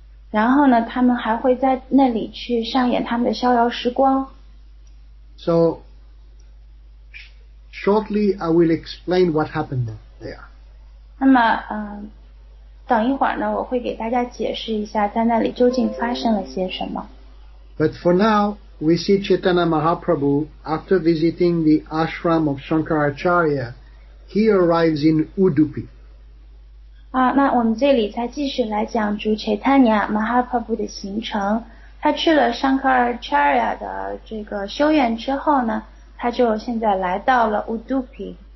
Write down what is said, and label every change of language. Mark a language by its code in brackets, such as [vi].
[zh] 然后呢，他们还会在那里去上演他们的逍遥时光。 [en] So, shortly I will explain what happened there. [zh] 那么，等一会儿呢，我会给大家解释一下在那里究竟发生了些什么。 [en] But for now, we see Chaitanya Mahaprabhu, after visiting the ashram of Shankaracharya, he arrives in Udupi. [zh] 那我们这里才继续来讲主 Chaitanya Mahaprabhu 的行程。他去了 Shankaracharya 的这个修院之后呢，他就现在来到了 Udupi。